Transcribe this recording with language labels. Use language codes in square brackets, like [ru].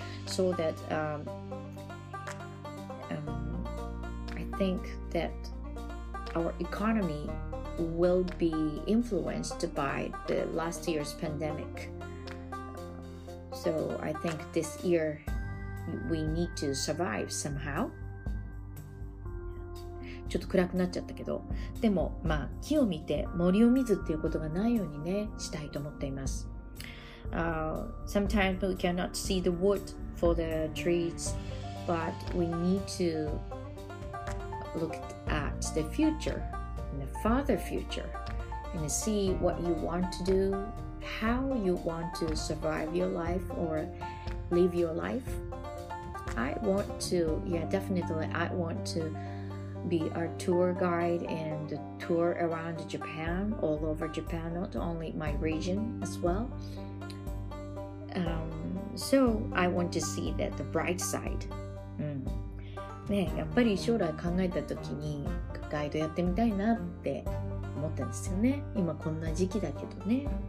[en] So that I think that our economywill be influenced by the last year's pandemic. So I think this year we need to survive somehow. [ja] ちょっと暗くなっちゃったけど、でもまあ木を見て森を見ずっていうことがないようにね、したいと思っています。 [en] Sometimes we cannot see the wood for the trees, but we need to look at the future. Farther future, and see what you want to do, how you want to survive your life or live your life. I want to, yeah, definitely, I want to be a tour guide and tour around Japan, all over Japan, not only my region as well. So I want to see that the bright side. [ja] ね、やっぱり将来考えた時にガイドやってみたいなって思ったんですよね。今こんな時期だけどね。